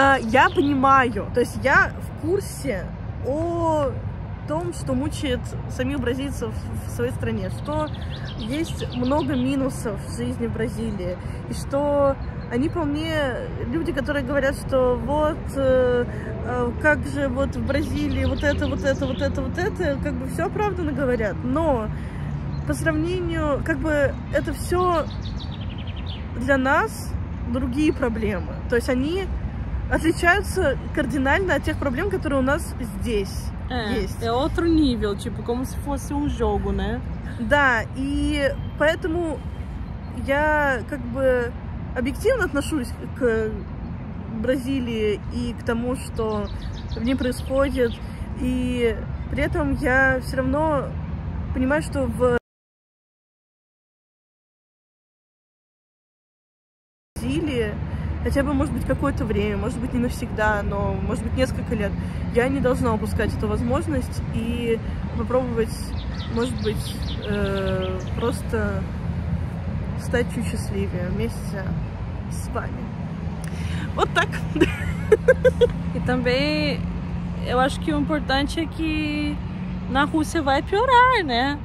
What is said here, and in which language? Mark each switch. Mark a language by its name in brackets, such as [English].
[Russian] Я понимаю, то есть я в курсе о том, что мучает самих бразильцев в своей стране, что есть много минусов в жизни в Бразилии, и что они вполне люди, которые говорят, что вот как же вот в Бразилии вот это, вот это, вот это, вот это, как бы все оправданно говорят, но по сравнению, как бы это все для нас другие проблемы. То есть они отличаются кардинально от тех проблем, которые у нас здесь есть. [Portuguese] É outro nível, tipo, como se fosse jogo, né? [Russian] Да, и поэтому я как бы объективно отношусь к Бразилии и к тому, что в ней происходит. И при этом я все равно понимаю, что в Бразилии хотя бы, может быть, какое-то время, может быть, не навсегда, но, может быть, несколько лет, я не должна упускать эту возможность и попробовать, может быть, просто стать чуть счастливее вместе с вами. Вот так. И [Portuguese] também, eu acho que o importante é que na Rússia vai piorar, né?